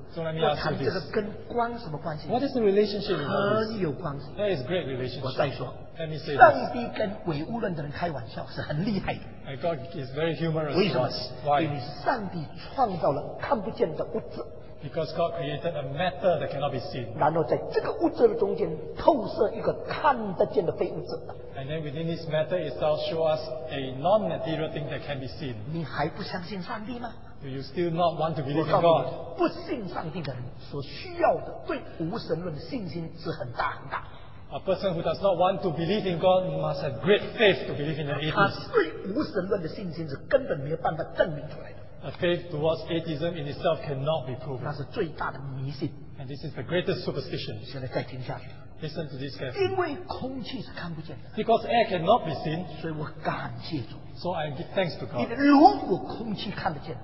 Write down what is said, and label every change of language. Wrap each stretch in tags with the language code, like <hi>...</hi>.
<en>so let me ask you this. What is the relationship with this?</en> <zh>很有关系。</zh> <en>That is great relationship.</en> <zh>我再说,</zh> <en>Let me say this.</en> <zh>上帝跟唯物论的人开玩笑是很厉害的。</zh> <en>And God is very humorous.</en> <zh>为什么?</zh> <en>Why?</en> <zh>因为上帝创造了看不见的物质。</zh> <en>Because God created a matter that cannot be seen.</en> <zh>然后在这个物质中间透射一个看得见的非物质。</zh> <en>And then within this matter itself show us a non-material thing that can be seen.</en> <zh>你还不相信上帝吗?</zh> <en>Do you still not want to believe in God?</en> <zh>不信上帝的人所需要的对无神论的信心是很大很大。</zh> <en>A person who does not want to believe in God must have great faith to believe in atheism.</en> <zh>他对无神论的信心是根本没有办法证明出来的。</zh> <en>A faith towards atheism in itself cannot be proven.</en> <zh>那是最大的迷信。</zh> <en>And this is the greatest superstition.</en> <zh>现在再听下去。</zh> <en>Listen to this guy.</en> <zh>因为空气是看不见的。</zh> <en>Because air cannot be seen.</en> <zh>所以我感谢主。</zh> <en>So I give thanks to God.</en> <zh>如果空气看得见,</zh>